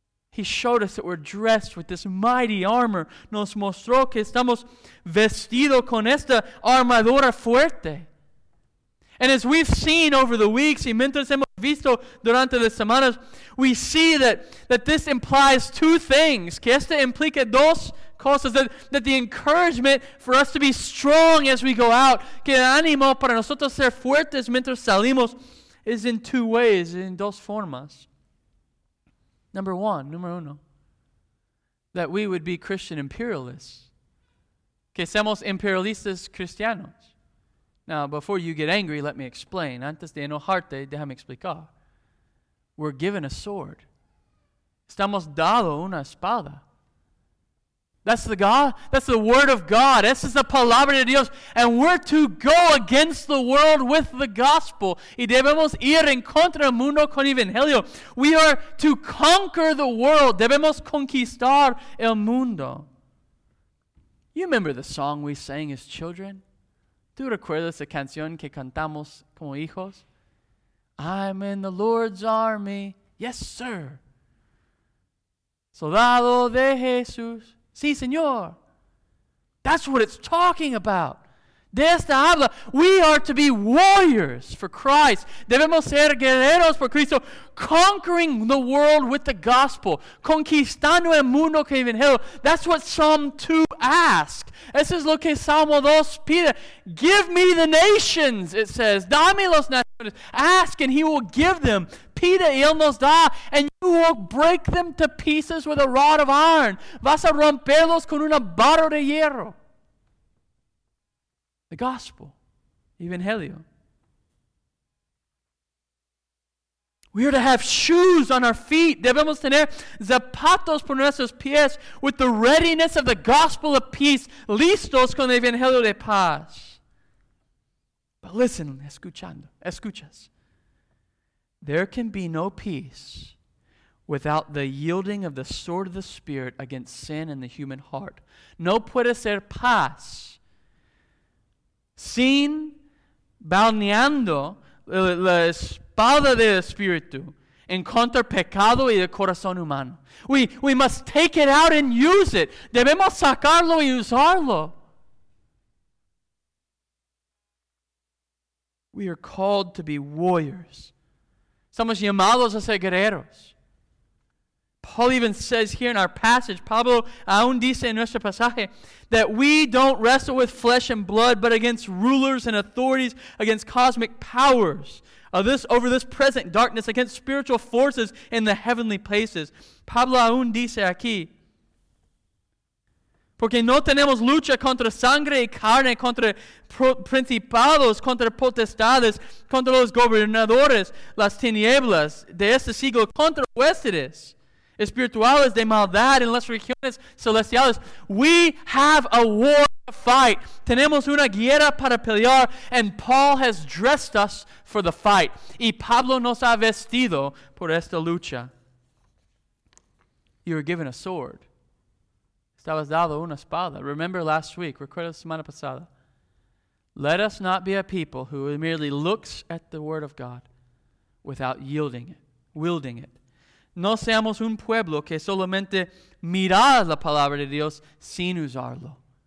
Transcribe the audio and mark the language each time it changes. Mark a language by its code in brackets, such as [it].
[en] He showed us that we're dressed with this mighty armor. [es] Nos mostró que estamos vestidos con esta armadura fuerte. [en] And as we've seen over the weeks, [es] y mientras hemos visto durante las semanas, [en] we see that this implies two things. [es] Que esta implica dos cosas. [en] That the encouragement for us to be strong as we go out. [es] Que el ánimo para nosotros ser fuertes mientras salimos. [en] Is in two ways, in [es] dos formas. [en] Number one, that we would be Christian imperialists. [es] Que seamos imperialistas cristianos. [en] Now, before you get angry, let me explain. [es] Antes de enojarte, déjame explicar. [en] We're given a sword. [es] Estamos dado una espada. [en] That's the word of God. [es] Esa es la palabra de Dios. [en] And we're to go against the world with the gospel. [es] Y debemos ir en contra del mundo con el evangelio. [en] We are to conquer the world. [es] Debemos conquistar el mundo. [en] You remember the song we sang as children? [es] ¿Tú recuerdas la canción que cantamos como hijos? [en] I'm in the Lord's army. Yes, sir. [es] Soldado de Jesús. Sí, señor. [en] That's what it's talking about. [es] De esta habla. [en] We are to be warriors for Christ. [es] Debemos ser guerreros por Cristo, [en] conquering the world with the gospel. [es] Conquistando el mundo con el evangelio. [en] That's what Psalm 2 asks. [es] Eso es lo que Salmo 2 pide. [en] Give me the nations, it says. [es] Dame los naciones. Ask and he will give them. Pide y él nos da. [en] And you will break them to pieces with a rod of iron. [es] Vas a romperlos con una barra de hierro. [en] The gospel, evangelio. We are to have shoes on our feet. [es] Debemos tener zapatos por nuestros pies [en] with the readiness of the gospel of peace. [es] Listos con el evangelio de paz. [en] But listen, [es] escuchas. [en] There can be no peace without the yielding of the sword of the Spirit against sin and the human heart. [es] No puede ser paz sin balneando la espada del Espíritu en contra pecado y el corazón humano. [en] We must take it out and use it. [es] Debemos sacarlo y usarlo. [en] We are called to be warriors. [es] Somos llamados a ser guerreros. [en] Paul even says here in our passage, [es] Pablo aún dice en nuestro pasaje, [en] that we don't wrestle with flesh and blood, but against rulers and authorities, against cosmic powers, over this present darkness, against spiritual forces in the heavenly places. [es] Pablo aún dice aquí, porque no tenemos lucha contra sangre y carne, contra principados, contra potestades, contra los gobernadores, las tinieblas de este siglo, contra huéspedes espirituales de maldad en las regiones celestiales. [en] We have a war to fight. [es] Tenemos una guerra para pelear, [en] and Paul has dressed us for the fight. [es] Y Pablo nos ha vestido por esta lucha. [en] You were given a sword. [es] Estabas dado una espada. [en] Remember last week, [es] recuerda la semana pasada. [en] Let us not be a people who merely looks at the word of God without yielding it, wielding it. [es] No seamos un pueblo que solamente mira la palabra de Dios sin usarlo.